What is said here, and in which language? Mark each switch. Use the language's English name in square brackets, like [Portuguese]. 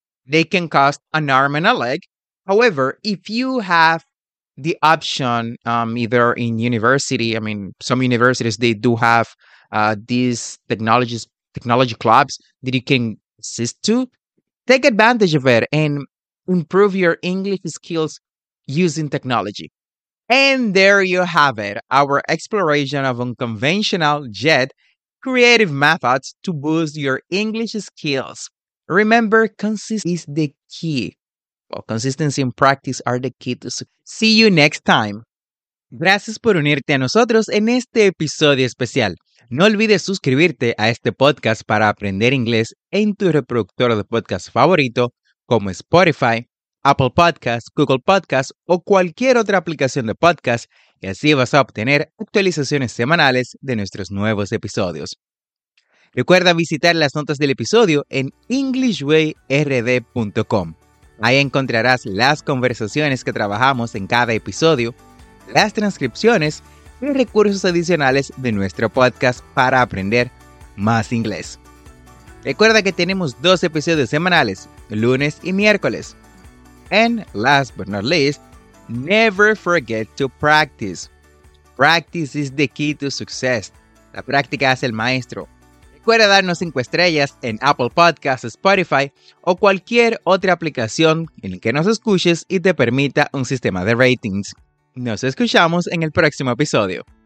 [English] They can cost an arm and a leg. However, if you have the option, either in university, I mean, some universities, they do have these technology clubs that you can assist to, take advantage of it and improve your English skills using technology. And there you have it, our exploration of unconventional yet creative methods to boost your English skills. Remember, consistency is the key. Well, consistency and practice are the key to success. See you next time. [Spanish] Gracias por unirte a nosotros en este episodio especial. No olvides suscribirte a este podcast para aprender inglés en tu reproductor de podcast favorito como Spotify, Apple Podcasts, Google Podcasts o cualquier otra aplicación de podcast, y así vas a obtener actualizaciones semanales de nuestros nuevos episodios. Recuerda visitar las notas del episodio en EnglishWayRD.com. Ahí encontrarás las conversaciones que trabajamos en cada episodio, las transcripciones y recursos adicionales de nuestro podcast para aprender más inglés. Recuerda que tenemos dos episodios semanales, lunes y miércoles. [English] And last but not least, never forget to practice. Practice is the key to success. [Spanish] La práctica hace el maestro. Recuerda darnos 5 estrellas en Apple Podcasts, Spotify o cualquier otra aplicación en la que nos escuches y te permita un sistema de ratings. Nos escuchamos en el próximo episodio.